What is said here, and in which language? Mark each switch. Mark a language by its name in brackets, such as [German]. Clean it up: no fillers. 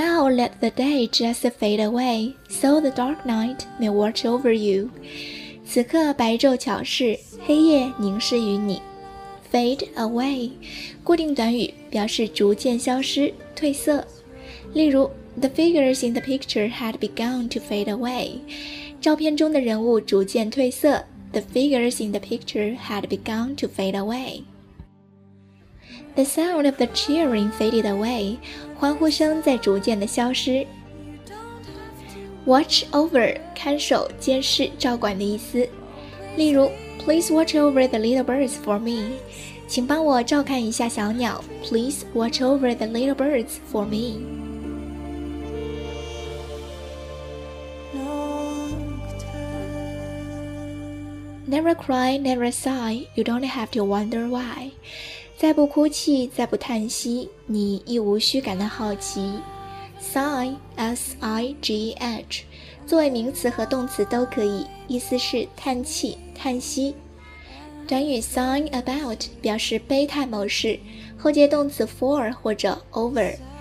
[English] let the day just fade away, so the dark night may watch over you. [Chinese] 此刻白昼巧视，黑夜凝视于你。 Fade away, 固定短语，表示逐渐消失、褪色。例如 [English] ,The figures in the picture had begun to fade away. [Chinese] 照片中的人物逐渐褪色。 [English] The figures in the picture had begun to fade away. The sound of the cheering faded away, [Chinese] 欢呼声在逐渐的消失。 Watch over, 看守、监视、照管的意思。例如 [English] ,Please watch over the little birds for me. [Chinese] 请帮我照看一下小鸟。 [English] Please watch over the little birds for me. Never cry, never sigh, you don't have to wonder why. [Chinese] 再不哭泣，再不叹息，你亦无需感到好奇。 Sigh, S-I-G-H, 作为名词和动词都可以，意思是叹气、叹息。短语 sigh about 表示悲叹某事，后接动词 for 或者 over。